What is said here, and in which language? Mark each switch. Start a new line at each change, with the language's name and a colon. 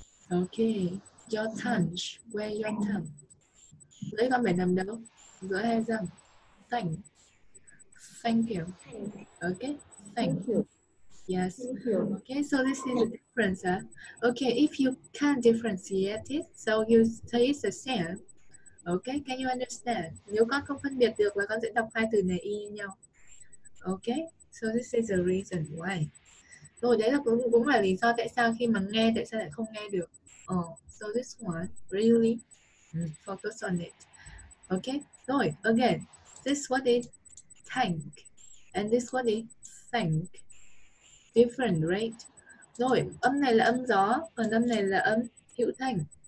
English: Okay. Your tongue. Where your tongue?
Vietnamese: Lấy con phải nằm đâu? Giữa hai răng.
English: Thank. Thank you. Okay. Thank you. Yes. Thank you. Okay, so this is the difference. Huh? Okay, if you can't differentiate it, so you say it's the same. Okay, can you understand?
Vietnamese: Nếu con không phân biệt được là con sẽ đọc hai từ này y như nhau.
English: Okay, so this is the reason why.
Vietnamese: Rồi, đấy là cũng là lý do tại sao khi mà nghe, tại sao lại không nghe được.
English: Oh, so this one, really focus on it. Okay, rồi, again, this one is thank, and this one is think. Different, right?
Vietnamese: Rồi, âm này là âm gió, còn âm này là âm hữu thanh.